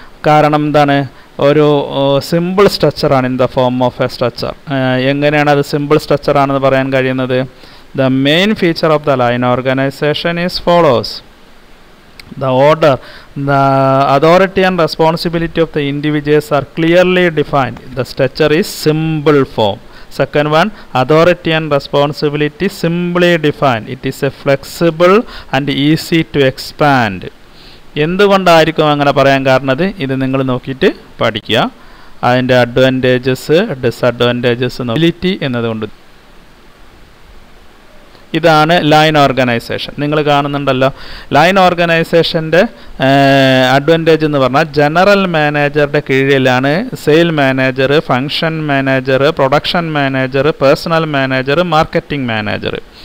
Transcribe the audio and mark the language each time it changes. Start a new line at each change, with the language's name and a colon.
Malayalam: കാരണം എന്താണ്, ഒരു simple സ്ട്രക്ചറാണ്
English: In the form of a structure.
Malayalam: എങ്ങനെയാണ് അത് സിമ്പിൾ സ്ട്രക്ചറാണെന്ന് പറയാൻ കഴിയുന്നത്?
English: The main feature of the line organisation is follows. The order, the authority and responsibility of the individuals are clearly defined. The structure is simple form. Second one, authority and responsibility simply defined. It is a flexible and easy to expand.
Malayalam: എന്തുകൊണ്ട് ആയിരിക്കും അങ്ങനെ പറയാൻ കാരണം? ഇത് നിങ്ങൾ നോക്കിയിട്ട് പഠിക്കുക. അതിൻ്റെ അഡ്വാൻറ്റേജസ് ഡിസഡ്വാൻറ്റേജസ് നോബിലിറ്റി എന്നതുകൊണ്ട് ഇതാണ് ലൈൻ ഓർഗനൈസേഷൻ. നിങ്ങൾ കാണുന്നുണ്ടല്ലോ ലൈൻ ഓർഗനൈസേഷൻ്റെ അഡ്വാൻറ്റേജ് എന്ന് പറഞ്ഞാൽ ജനറൽ മാനേജറുടെ കീഴിലാണ് sale manager, function manager, production manager, personal manager, marketing manager.